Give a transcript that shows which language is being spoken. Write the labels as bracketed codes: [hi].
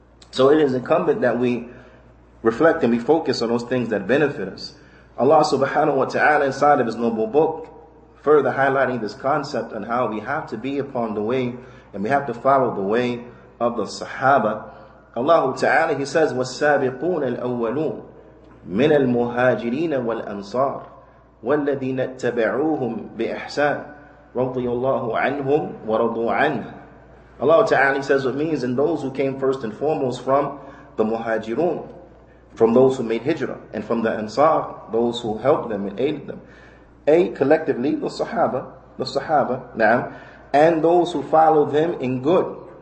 [en] So it is incumbent that we reflect and we focus on those things that benefit us. Allah subhanahu wa ta'ala, inside of his noble book, further highlighting this concept on how we have to be upon the way and we have to follow the way of the sahaba. Allah Ta'ala, he says, [ar] وَالسَّابِقُونَ الْأَوَّلُونَ مِنَ الْمُهَاجِرِينَ وَالْأَنصَارِ وَالَّذِينَ اتَّبَعُوهُمْ بِإِحْسَانٍ رَضِيَ اللَّهُ عَنْهُمْ وَرَضُوا عَنْهُ. [en] Allah Ta'ala, he says, what means, and those who came first and foremost from the muhajirun, from those who made hijrah, and from the Ansar, those who helped them and aided them. A, collectively, the Sahaba, na'am, and those who followed them in good.